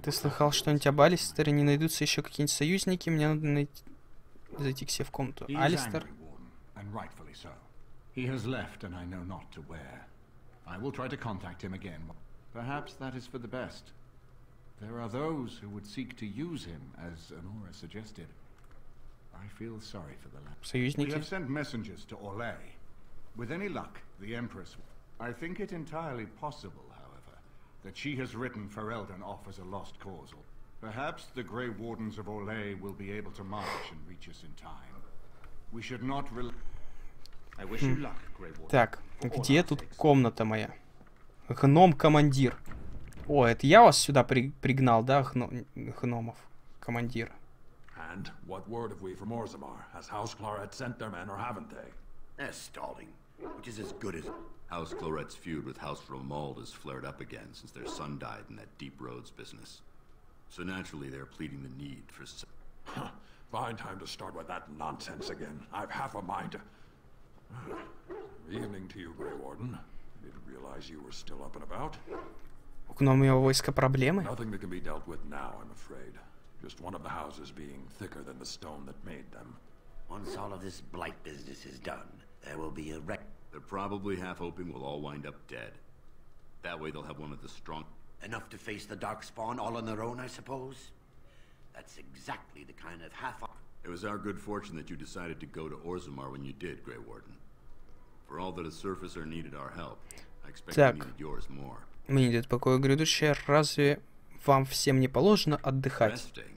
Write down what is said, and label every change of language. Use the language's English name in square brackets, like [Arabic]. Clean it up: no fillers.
[Russian] Ты слыхал, что нибудь об Алистере? Не найдутся еще какие-нибудь союзники? Мне надо найти, зайти к себе в комнату. Алистер. [English] He is angry, Warden, and rightfully so. He has left, and I know not to where. I will try to contact him again. Perhaps that is for the best. There are those who would seek to use him, as Anora suggested. I feel sorry for the lapse. [Russian] Союзники. [English] We have sent messengers to Orlais. With any luck, the Empress. I think it entirely possible, however, that she has written Ferelden off as a lost cause. Perhaps the Grey Wardens of Orlais will be able to march and reach us in time. We should not rely. I wish you luck, Grey Warden. [Russian] Так, где тут комната моя? Гном-командир. О, это я вас сюда пригнал, да, гномов, командир. [English] And what word have we from Orzammar? Has House Claret sent their men or haven't they? They're stalling, which is as good as... House Claret's feud with House Romald has flared up again since their son died in that Deep Roads business. So naturally they're pleading the need for... Fine time to start with that nonsense again. I've half a mind to... Evening to you, Grey Warden. Didn't realize you were still up and about. [Russian] У гномьего войска проблемы? [English] Nothing that can be dealt with now, I'm afraid. Just one of the houses being thicker than the stone that made them. Once all of this blight business is done, there will be a wreck. They're probably half hoping we'll all wind up dead. That way they'll have one of the strong... Enough to face the Darkspawn all on their own, I suppose? That's exactly the kind of half... It was our good fortune that you decided to go to Orzammar when you did, Grey Warden. For all that a surfacer needed our help, I expect [Russian] так, [English] you needed yours more. [Russian] Мне идет покой грядущее. Разве вам всем не положено отдыхать?